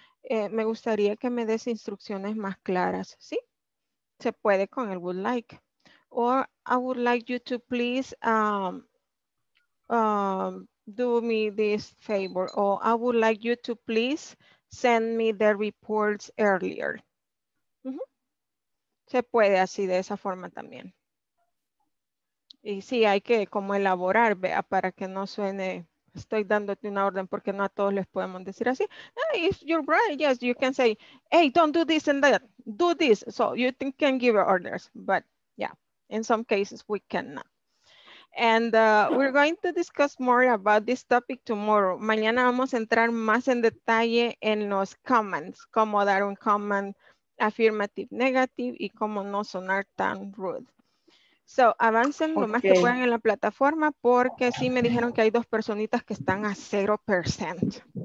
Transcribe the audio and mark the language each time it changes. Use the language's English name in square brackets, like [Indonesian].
[Spanish] Me gustaría que me des instrucciones más claras, ¿sí? Se puede con el would like. [English] Or I would like you to please do me this favor. Or I would like you to please send me the reports earlier. [Spanish] Mm-hmm. Se puede así, de esa forma también. Y sí, hay que como elaborar, vea, para que no suene, estoy dándote una orden, porque no a todos les podemos decir así. [English] Hey, if you're right, yes, you can say, hey, don't do this and that, do this. So you can give orders, but yeah, in some cases we cannot. And we're going to discuss more about this topic tomorrow. [Spanish] Mañana vamos a entrar más en detalle en los commands, cómo dar un command affirmative, negative, y cómo no sonar tan rude. So, avancen okay. lo más que puedan en la plataforma, porque sí me dijeron que hay dos personitas que están a 0%.